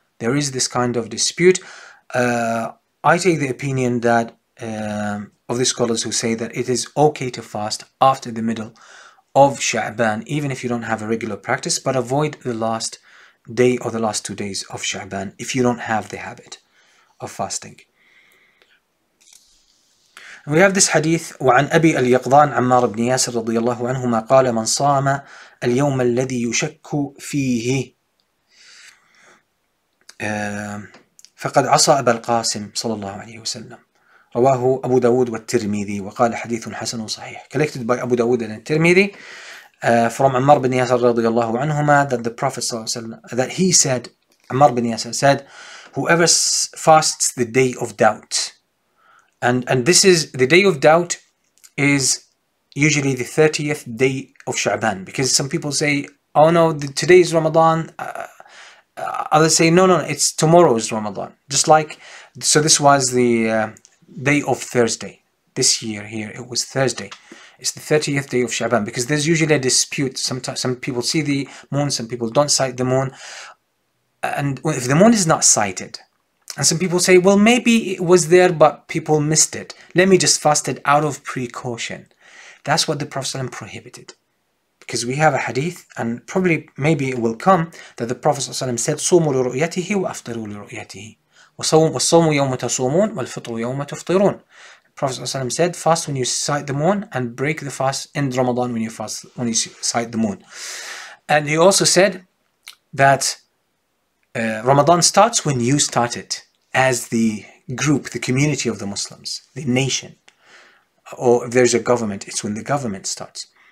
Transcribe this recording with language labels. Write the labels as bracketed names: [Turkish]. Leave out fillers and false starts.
[English] There is this kind of dispute. I take the opinion that of the scholars who say that it is okay to fast after the middle of Sha'ban, even if you don't have a regular practice, but avoid the last day or the last 2 days of Sha'ban if you don't have the habit of fasting. We have this hadith [Arabic] وعن أبي اليقظان عمار بن ياسر رضي الله عنهما قال من صام اليوم الذي يشك فيه فقد عصى أبا القاسم صلى الله عليه وسلم رواه أبو داود والترمذي وقال حديث حسن صحيح. [English] Collected by Abu Dawood and Tirmidhi from عمار بن ياسر رضي الله عنهما that the Prophet صلى الله عليه وسلم that he said, عمار بن ياسر said, whoever fasts the day of doubt. And this is, the day of doubt is usually the 30th day of Sha'ban. Because some people say, oh no, today is Ramadan. Others say, no, it's tomorrow is Ramadan. Just like, so this was the day of Thursday. This year here, it was Thursday. It's the 30th day of Sha'ban. Because there's usually a dispute. Sometimes some people see the moon, some people don't sight the moon. And if the moon is not sighted, and some people say, well, maybe it was there, but people missed it. Let me just fast it out of precaution. That's what the Prophet ﷺ prohibited. Because we have a hadith, and probably maybe it will come, that the Prophet ﷺ said, [Arabic] صوموا لرؤيته وأفطروا لرؤيته. وصوموا يوم تصومون والفطر يوم تفطرون. [English] The Prophet ﷺ said, fast when you sight the moon, and break the fast in Ramadan when you fast, when you sight the moon. And he also said that Ramadan starts when you start it as the group, the community of the Muslims, the nation, or if there's a government, it's when the government starts.